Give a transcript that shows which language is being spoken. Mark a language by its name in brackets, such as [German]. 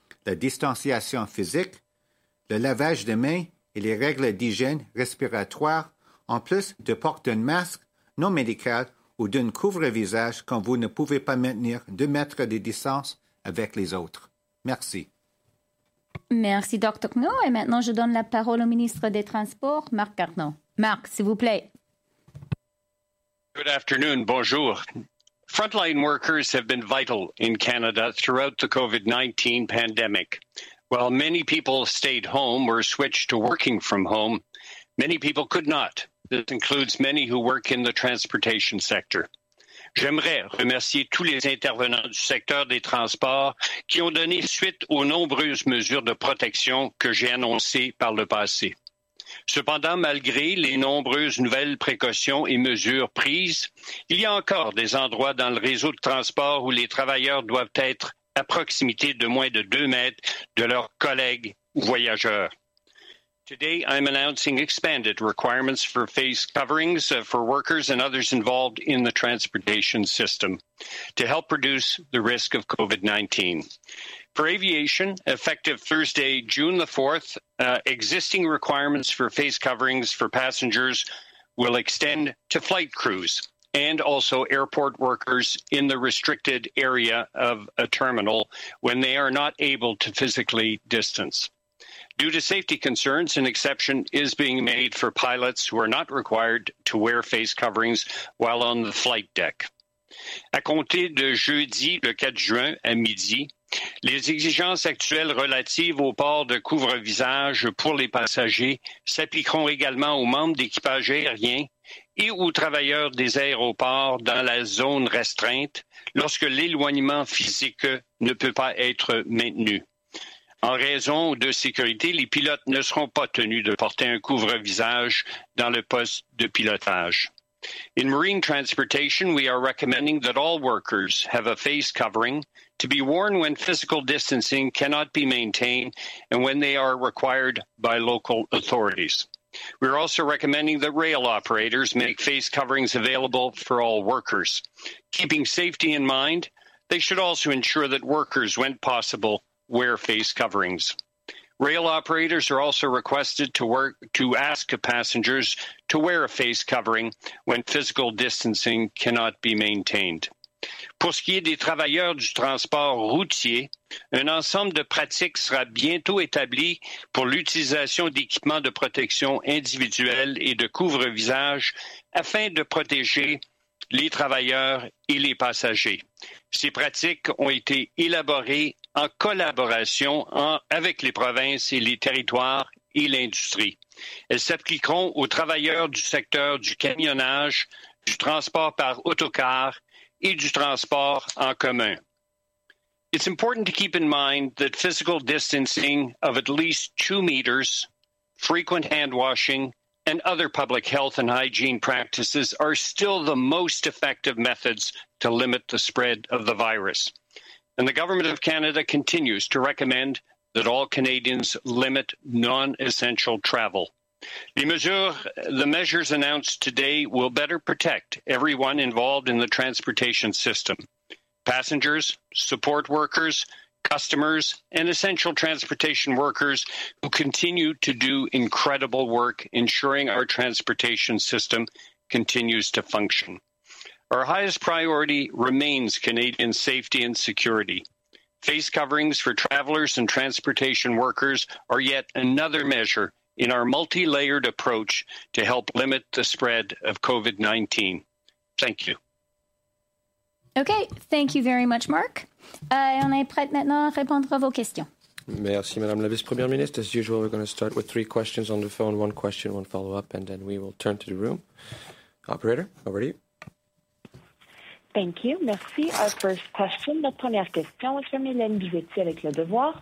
[French] La distanciation physique, le lavage de mains et les règles d'hygiène respiratoire, en plus de porter un masque non médical ou d'un couvre-visage quand vous ne pouvez pas maintenir 2 mètres de distance avec les autres. Merci. Merci, Dr. Kno. Et maintenant, je donne la parole au ministre des Transports, Marc Garneau. Marc, s'il vous plaît. [English] Good afternoon. [French] Bonjour. [English] Frontline workers have been vital in Canada throughout the COVID-19 pandemic. While many people stayed home or switched to working from home, many people could not. This includes many who work in the transportation sector. [French] J'aimerais remercier tous les intervenants du secteur des transports qui ont donné suite aux nombreuses mesures de protection que j'ai annoncées par le passé. Cependant, malgré les nombreuses nouvelles précautions et mesures prises, il y a encore des endroits dans le réseau de transport où les travailleurs doivent être à proximité de moins de 2 mètres de leurs collègues ou voyageurs. [English] Today, I'm announcing expanded requirements for face coverings for workers and others involved in the transportation system to help reduce the risk of COVID-19. For aviation, effective Thursday, June the 4th, existing requirements for face coverings for passengers will extend to flight crews and also airport workers in the restricted area of a terminal when they are not able to physically distance. Due to safety concerns, an exception is being made for pilots who are not required to wear face coverings while on the flight deck. [French] À compter de jeudi le 4 juin à midi, les exigences actuelles relatives au port de couvre-visage pour les passagers s'appliqueront également aux membres d'équipage aérien et aux travailleurs des aéroports dans la zone restreinte lorsque l'éloignement physique ne peut pas être maintenu. En raison de sécurité, les pilotes ne seront pas tenus de porter un couvre-visage dans le poste de pilotage. [English] In marine transportation, we are recommending that all workers have a face covering to be worn when physical distancing cannot be maintained and when they are required by local authorities. We are also recommending that rail operators make face coverings available for all workers. Keeping safety in mind, they should also ensure that workers, when possible, wear face coverings. Rail operators are also requested to ask passengers to wear a face covering when physical distancing cannot be maintained. [French] Pour ce qui est des travailleurs du transport routier, un ensemble de pratiques sera bientôt établi pour l'utilisation d'équipements de protection individuelle et de couvre-visage afin de protéger les travailleurs et les passagers. Ces pratiques ont été élaborées en collaboration avec les provinces et les territoires et l'industrie. Elles s'appliqueront aux travailleurs du secteur du camionnage, du transport par autocar et du transport en commun. [English] It's important to keep in mind that physical distancing of at least 2 meters, frequent hand washing, and other public health and hygiene practices are still the most effective methods to limit the spread of the virus. And the Government of Canada continues to recommend that all Canadians limit non-essential travel. The measures announced today will better protect everyone involved in the transportation system. Passengers, support workers, customers, and essential transportation workers who continue to do incredible work ensuring our transportation system continues to function. Our highest priority remains Canadian safety and security. Face coverings for travelers and transportation workers are yet another measure in our multi-layered approach to help limit the spread of COVID-19. Thank you. Okay, thank you very much, Mark. [French] On est prêt maintenant à répondre à vos questions. Merci, Madame la Vice-Première Ministre. [English] As usual, we're going to start with 3 questions on the phone, 1 question, 1 follow-up, and then we will turn to the room. Operator, over to you. Thank you. [French] Merci. [English] Our first question, [French] notre première question est [English] from [French] Hélène Bivetti avec Le Devoir.